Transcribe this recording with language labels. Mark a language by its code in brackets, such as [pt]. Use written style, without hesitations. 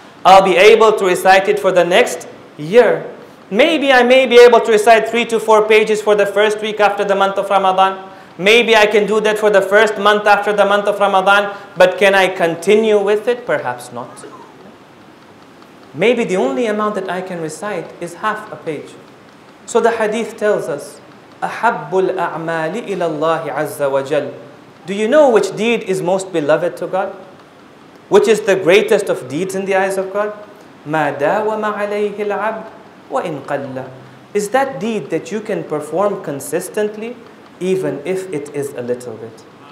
[en] I'll be able to recite it for the next year. Maybe I may be able to recite 3 to 4 pages for the first week after the month of Ramadan. Maybe I can do that for the first month after the month of Ramadan. But can I continue with it? Perhaps not. Maybe the only amount that I can recite is half a page. So the hadith tells us, [ar] أَحَبُّ الْأَعْمَالِ إِلَى اللَّهِ عَزَّ وَجَلْ. [en] Do you know which deed is most beloved to God? Which is the greatest of deeds in the eyes of God? [ar] مَا دَاوَمَ عَلَيْهِ الْعَبْدِ وَإِنْ قَلَّ. [en] Is that deed that you can perform consistently, even if it is a little bit?